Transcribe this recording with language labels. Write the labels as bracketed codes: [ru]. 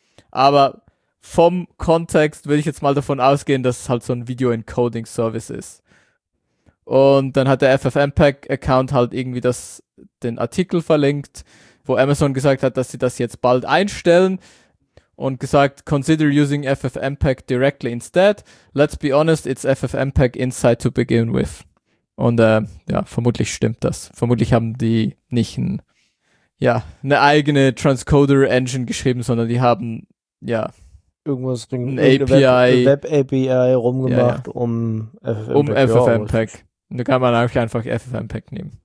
[de] Aber vom Kontext würde ich jetzt mal davon ausgehen, dass es halt so ein Video-Encoding-Service ist. Und dann hat der FFmpeg-Account halt irgendwie den Artikel verlinkt, wo Amazon gesagt hat, dass sie das jetzt bald einstellen und gesagt, [en] consider using FFmpeg directly instead. Let's be honest, it's FFmpeg inside to begin with. [de] Und ja, vermutlich stimmt das. Vermutlich haben die nicht eine eigene Transcoder-Engine geschrieben, sondern die haben, ja, irgendwas API, Web-API rumgemacht, um FFmpeg. Und da kann man eigentlich einfach FFmpeg nehmen.